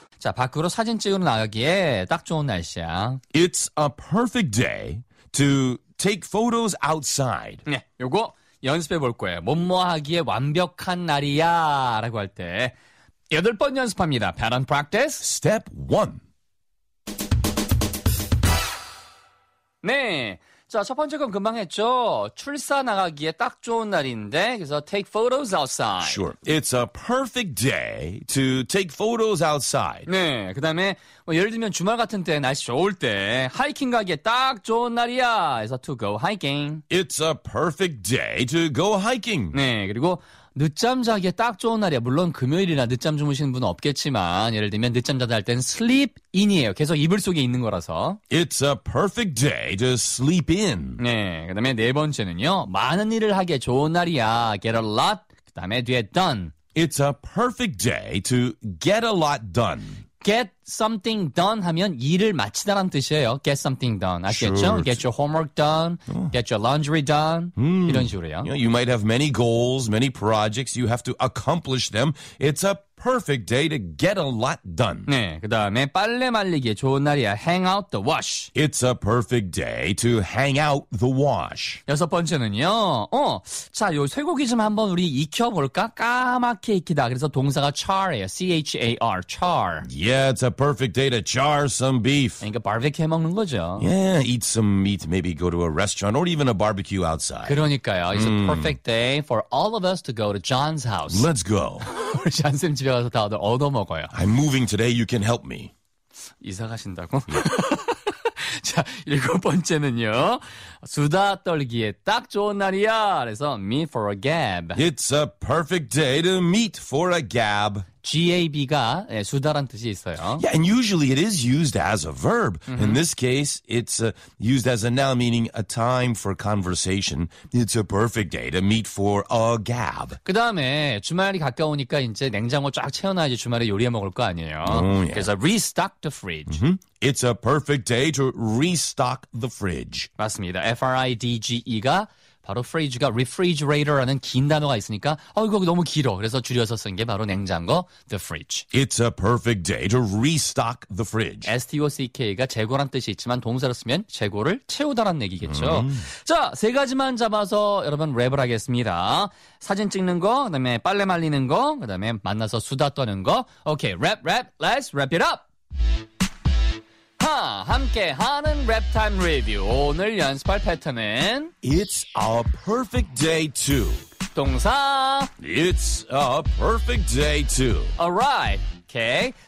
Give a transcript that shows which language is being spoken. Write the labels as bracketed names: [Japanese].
[Korean] 자, 밖으로 사진 찍으러 나가기에 딱 좋은 날씨야. [English] It's a perfect day to take photos outside. [Korean] 네, 요거 연습해 볼 거예요. 뭐뭐 하기에 완벽한 날이야 라고 할 때 8번 연습합니다. [English] Pattern practice. Step 1. [Korean] 네. 자, 첫 번째 건 금방 했죠. 출사 나가기에 딱 좋은 날인데, 그래서 [English] take photos outside. Sure. It's a perfect day to take photos outside. [Korean] 네. 그 다음에, 뭐 예를 들면 주말 같은 때, 날씨 좋을 때, 하이킹 가기에 딱 좋은 날이야. [English] 그래서 to go hiking. It's a perfect day to go hiking. [Korean] 네. 그리고, 늦잠 자기에 딱 좋은 날이야. 물론 금요일이나 늦잠 주무시는 분은 없겠지만 예를 들면 늦잠 자다 할 땐 sleep in이에요. 계속 이불 속에 있는 거라서. [English] It's a perfect day to sleep in. [Korean] 네, 그 다음에 네 번째는요. 많은 일을 하기에 좋은 날이야. [English] Get a lot. 그 다음에 뒤에 done. It's a perfect day to get a lot done. Get something done [Korean] 하면 일을 마치다란 뜻이에요. [English] Get something done. [Korean] 아시겠죠? [English] Sure. Get your homework done. Oh. Get your laundry done. Mm. [Korean] 이런 식으로요. [English] You know, you might have many goals, many projects. You have to accomplish them. It's a perfect day to get a lot done. [Korean] 네, 그 다음에 빨래 말리기 좋은 날이야. [English] Hang out the wash. It's a perfect day to hang out the wash. [Korean] 여섯 번째는요. 자, 요 쇠고기 좀 한번 우리 익혀볼까? 까맣게 익히다. 그래서 동사가 char예요. [English] C-H-A-R, char. Yeah, it's a perfect day to char some beef. [Korean] 그러니까 barbecue 해먹는 거죠. [English] Yeah, eat some meat, maybe go to a restaurant or even a barbecue outside. [Korean] 그러니까요. [English] It's a perfect day for all of us to go to John's house. Let's go. [Korean] 우리 존 쌤 집에 가서 다들 얻어 먹어요. [English] I'm moving today. You can help me. [Korean] 이사 가신다고? 자, 일곱 번째는요. 수다 떨기에 딱 좋은 날이야. [English] 그래서 meet for a gab. It's a perfect day to meet for a gab. [Korean] G-A-B가 예, 수다란 뜻이 있어요. [English] Yeah, and usually it is used as a verb. Mm-hmm. In this case, it's used as a noun, meaning a time for conversation. It's a perfect day to meet for a gab. [Korean] 그 다음에 주말이 가까우니까 이제 냉장고 쫙 채워놔야지 주말에 요리해 먹을 거 아니에요. [English] Oh, yeah. 그래서 restock the fridge. Mm-hmm. It's a perfect day to restock the fridge. [Korean] 맞습니다. F-R-I-D-G-E가 바로 fridge가 refrigerator라는 긴 단어가 있으니까 이거 너무 길어. 그래서 줄여서 쓴 게 바로 냉장고, the fridge. [English] It's a perfect day to restock the fridge. [Korean] S-T-O-C-K가 재고란 뜻이 있지만 동사로 쓰면 재고를 채우다란 얘기겠죠. [English] Mm-hmm. [Korean] 자, 세 가지만 잡아서 여러분 랩을 하겠습니다. 사진 찍는 거, 그다음에 빨래 말리는 거, 그다음에 만나서 수다 떠는 거. [English] 오케이, 랩, 랩, let's wrap it up. [Korean] 함께하는 랩타임 리뷰. 오늘 연습할 패턴은 [English] It's a perfect day to [Korean] 동사 [English] It's a perfect day to Alright, okay.